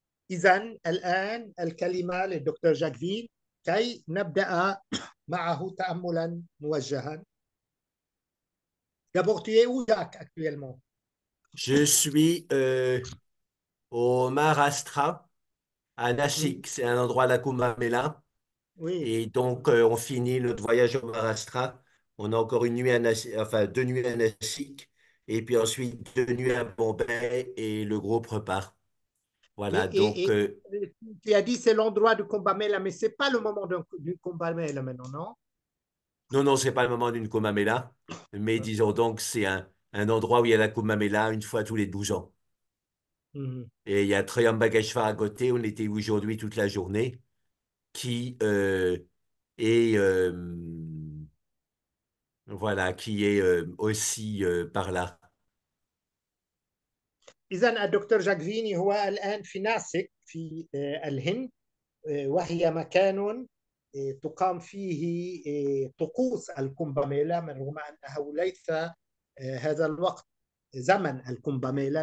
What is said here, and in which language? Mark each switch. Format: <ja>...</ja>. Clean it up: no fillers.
<ar>إذن الآن الكلمة للدكتور جاكفي كي نبدأ معه تأملا موجها.</ar> <fr>D'abord, tu es où, Jacques, actuellement? Je suis au Maharashtra, à Oui. Nashik, c'est un endroit à la Kumbh Mela. Oui. Et donc, on finit notre voyage au Maharashtra. On a encore une nuit à Nashik, enfin 2 nuits à Nashik, et puis ensuite 2 nuits à Bombay, et le groupe repart. Voilà, donc. Tu as dit c'est l'endroit du Kumbh Mela, mais c'est pas le moment du Kumbh Mela maintenant, Non, ce n'est pas le moment d'une Kumbh Mela, mais non? disons donc, c'est un endroit où il y a la Kumbh Mela une fois tous les 12 ans. Et il y a Trayambakeshvar à côté, on était aujourd'hui toute la journée, qui est, voilà, qui est aussi par là.</fr> <ar>إذن الدكتور جاكفيني هو الآن في ناسيك في الهند، وهي مكان تقام فيه طقوس الكومبا ميلا، من رغم أنه ليس هذا الوقت زمن الكومبا ميلا.</ar>